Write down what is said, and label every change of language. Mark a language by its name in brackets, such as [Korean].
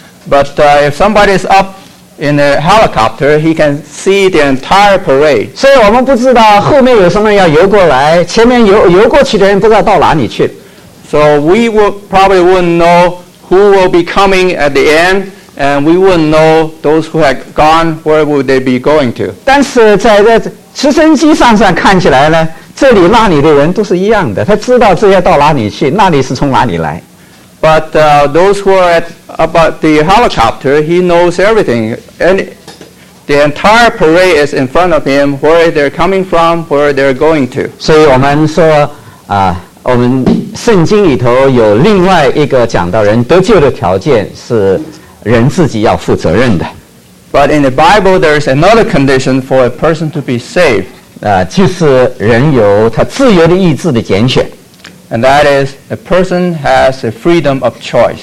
[English] But if somebody is up In a helicopter, he can see the entire parade. [Chinese] 所以我们不知道后面有什么要游过来，前面游过去的人不知道到哪里去。 [English] So we would probably wouldn't know who will be coming at the end, and we wouldn't know those who had gone, where would they be going to? [Chinese] 但是在这直升机上看起来呢，这里那里的人都是一样的，他知道这要到哪里去，那里是从哪里来。 [English] But those who are at about the helicopter, he knows everything. And the entire parade is in front of him, where they're coming from, where they're going to. [Chinese] 所以我们说我们圣经里头有另外一个讲到人得救的条件是人自己要负责任的。 [English] But in the Bible, there's another condition for a person to be saved. [Chinese] 就是人有他自由的意志的拣选。 [English] And that is, a person has a freedom of choice.